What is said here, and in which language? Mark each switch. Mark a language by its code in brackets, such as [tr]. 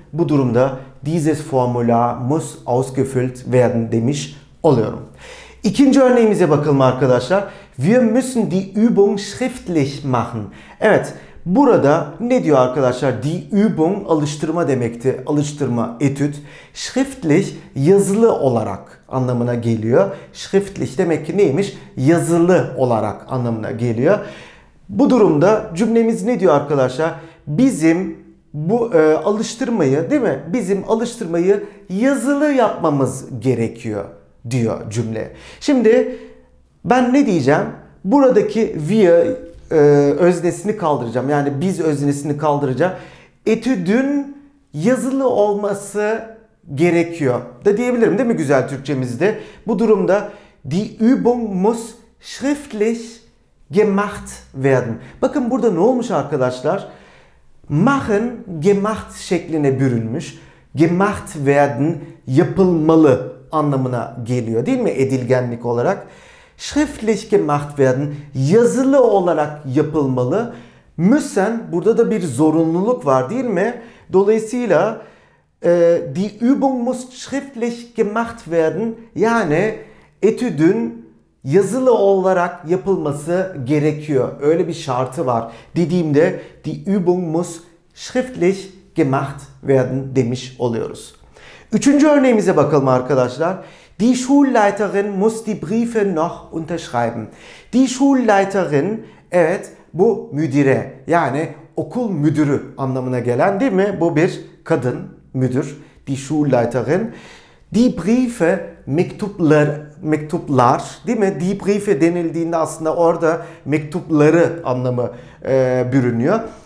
[tr] Bu durumda [de] dieses Formular muss ausgefüllt werden [tr] demiş oluyorum. İkinci örneğimize bakalım arkadaşlar. [de] Wir müssen die Übung schriftlich machen. [tr] Evet, burada ne diyor arkadaşlar? Die Übung alıştırma demekti. Alıştırma, etüt. Schriftlich yazılı olarak anlamına geliyor. Schriftlich demek ki neymiş? Yazılı olarak anlamına geliyor. Bu durumda cümlemiz ne diyor arkadaşlar? Bizim bu alıştırmayı, değil mi? Bizim alıştırmayı yazılı yapmamız gerekiyor diyor cümle. Şimdi ben ne diyeceğim? Buradaki wir öznesini kaldıracağım. Yani biz öznesini kaldıracağım. Etüdün yazılı olması gerekiyor da diyebilirim, değil mi güzel Türkçemizde? [de] Bu durumda die Übung muss schriftlich gemacht werden. [tr] Bakın burada ne olmuş arkadaşlar? Machen gemacht şekline bürünmüş. gemacht werden, yapılmalı anlamına geliyor değil mi edilgenlik olarak? Schriftlich gemacht werden, yazılı olarak yapılmalı. Müssen, burada da bir zorunluluk var değil mi? Dolayısıyla [de] die Übung muss schriftlich gemacht werden, [tr] yani etüdün yazılı olarak yapılması gerekiyor. Öyle bir şartı var. Dediğimde [de] die Übung muss schriftlich gemacht werden [tr] demiş oluyoruz. Üçüncü örneğimize bakalım arkadaşlar. [de] Die Schulleiterin muss die Briefe noch unterschreiben. [tr] Die Schulleiterin, evet bu müdire, yani okul müdürü anlamına gelen değil mi? Bu bir kadın müdür. Die Schulleiterin. Die Briefe, mektuplar değil mi? Die Briefe denildiğinde aslında orada mektupları anlamı bürünüyor.